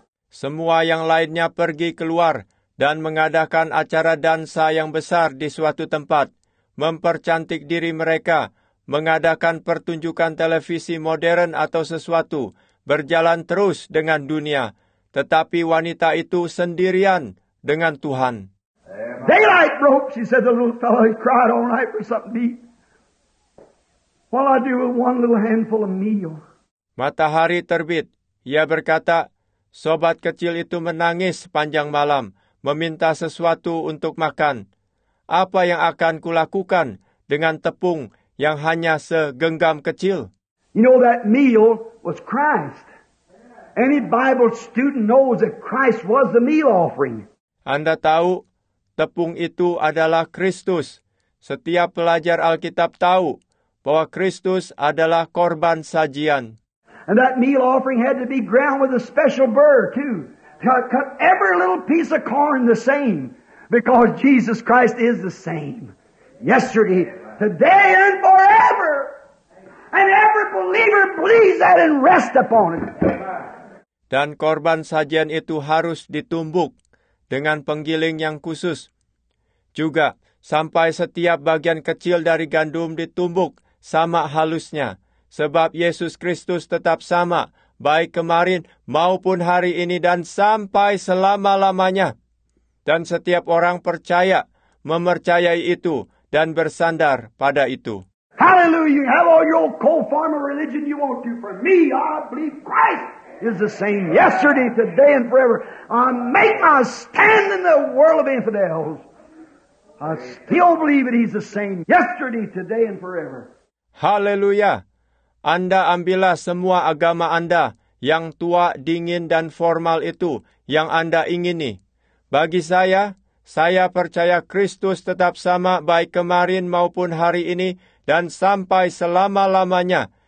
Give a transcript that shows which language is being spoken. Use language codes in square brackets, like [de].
[id] Semua yang lainnya pergi keluar dan mengadakan acara dansa yang besar di suatu tempat, mempercantik diri mereka, mengadakan pertunjukan televisi modern atau sesuatu, berjalan terus dengan dunia. Tetapi wanita itu sendirian dengan Tuhan. [en] Daylight broke, she said, the little fellow, he cried all night for something to eat. All I do is one little handful of meal. [id] Matahari terbit, ia berkata, sobat kecil itu menangis sepanjang malam, meminta sesuatu untuk makan. Apa yang akan kulakukan dengan tepung yang hanya segenggam kecil? [en] You know that meal was Christ. Any Bible student knows that Christ was the meal offering. [id] Anda tahu, tepung itu adalah Kristus. Setiap pelajar Alkitab tahu bahwa Kristus adalah korban sajian. [en] And that meal offering had to be ground with a special burr too. Cut every little piece of corn the same, because Jesus Christ is the same, yesterday, today, and forever. And every believer believes that and rests upon it. [id] Dan korban sajian itu harus ditumbuk dengan penggiling yang khusus. Juga sampai setiap bagian kecil dari gandum ditumbuk sama halusnya, sebab Yesus Kristus tetap sama. Baik kemarin maupun hari ini dan sampai selama-lamanya. Dan setiap orang percaya mempercayai itu dan bersandar pada itu. [en] Hallelujah! You have all your old co-farmer religion you want to. For me, I believe Christ is the same yesterday, today, and forever. I make my stand in the world of infidels. I still believe that He's the same yesterday, today, and forever. Hallelujah! [id] Anda ambillah semua agama Anda yang tua, dingin, dan formal itu yang Anda ingini. Bagi saya percaya Kristus tetap sama baik kemarin maupun hari ini dan sampai selama-lamanya.